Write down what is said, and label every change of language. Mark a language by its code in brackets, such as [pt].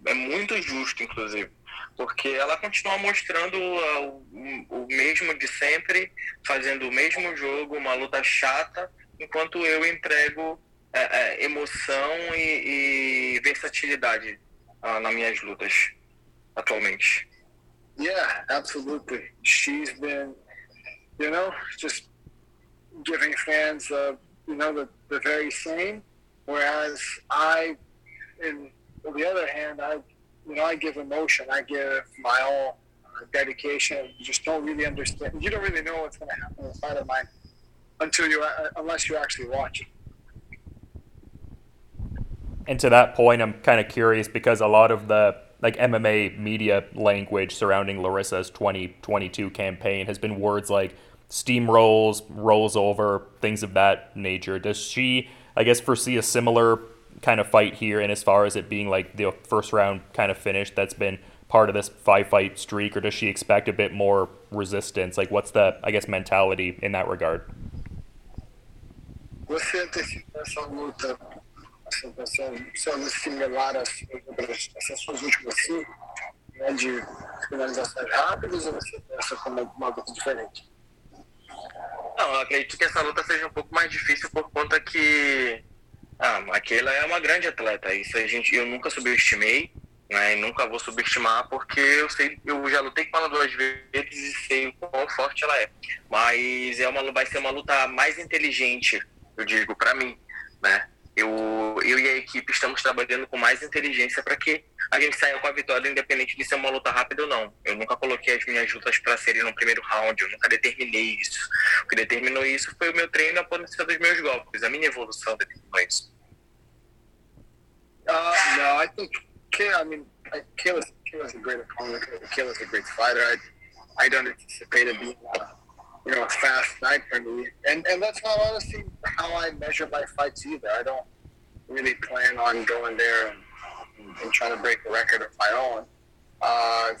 [pt] É muito justo, inclusive, porque ela continua mostrando o mesmo de sempre, fazendo o mesmo jogo, uma luta chata, enquanto eu entrego emoção e versatilidade nas minhas lutas. Atualmente. [en] Yeah, absolutely. She's been, just giving fans, the very same. Whereas on the other hand, I give emotion, I give my all, dedication. You just don't really understand. You don't really know what's going to happen inside of mine unless you actually watch it. And to that point, I'm kind of curious because a lot of the like MMA media language surrounding Larissa's 2022 campaign has been words like steamrolls, rolls over, things of that nature. Does she, I guess, foresee a similar kind of fight here, and as far as it being like the first round kind of finish that's been part of this five fight streak, or does she expect a bit more resistance? Like, what's the, I guess, mentality in that regard? [pt] Você antecipa essa luta, se nivelar essas suas últimas cinco, né, de finalizações rápidas, ou você pensa como alguma coisa diferente? Não, eu acredito que essa luta seja um pouco mais difícil por conta que a Keila é uma grande atleta. Isso a gente, eu nunca subestimei, né, e nunca vou subestimar porque eu sei, eu já lutei com ela 2 vezes e sei o quão forte ela é. Mas é uma, vai ser uma luta mais inteligente. Eu digo para mim, né? Eu e a equipe estamos trabalhando com mais inteligência para que a gente saia com a vitória, independente de ser uma luta rápida ou não. Eu nunca coloquei as minhas lutas para serem no primeiro round, eu nunca determinei isso. O que determinou isso foi o meu treino, a potência dos meus golpes, a minha evolução determinou isso. [en] No, I think I mean, Kayla's a great opponent. Kayla's a great fighter. I don't anticipate it being a fast night for me. And that's not honestly how I measure my fights either. I don't really plan on going there and trying to break a record of my own.